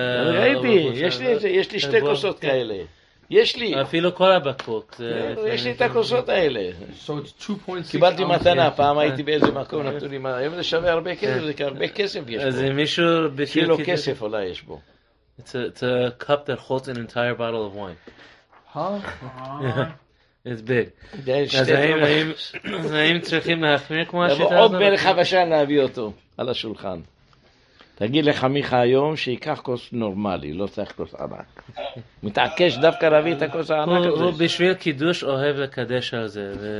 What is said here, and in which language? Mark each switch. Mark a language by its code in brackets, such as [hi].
[he] ראיתי, יש לי שתי כוסות כאלה. יש לי. אפילו כל הבקבוק. יש לי את הכוסות האלה. [en] So it's 2.6. [he] קיבלתי מתנה, פעם הייתי באיזה מקום, נתנו לי מה, היום זה שווה הרבה כסף, זה כהרבה כסף יש בו. אז מישהו... כאילו כסף אולי יש בו. [en] It's a cup that holds an entire bottle of wine. Huh? It's big. [he] אז האם צריכים להחמיר כמו השיטה הזאת? לבוא עוד בן חבשן להביא אותו על השולחן. תגיד לך מיך היום שיקח כוס נורמלי, לא צריך כוס ענק. מתעקש דווקא להביא את הכוס הענק הזה. הוא בשביל קידוש אוהב לקדש על זה.